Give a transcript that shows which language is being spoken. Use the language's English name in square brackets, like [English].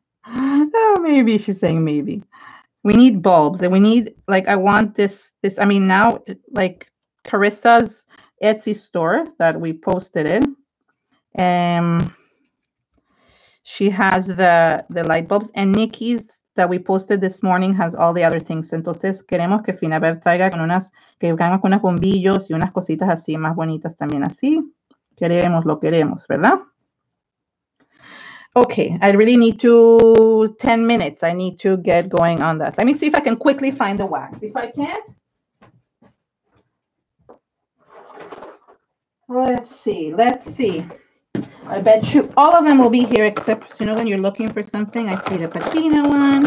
[English] Oh, maybe she's saying maybe. We need bulbs and we need, like, I want this. I mean, now, like, Carissa's Etsy store that we posted in, she has the light bulbs, and Nikki's that we posted this morning has all the other things. [Spanish] Entonces queremos que Finnabair traiga con unas, que vengan con unos bombillos y unas cositas así más bonitas también así. Queremos, lo queremos, ¿verdad? [English] Okay, I really need to, 10 minutes, I need to get going on that. Let me see if I can quickly find the wax. If I can't, let's see. I bet you all of them will be here except, you know, when you're looking for something, I see the patina one.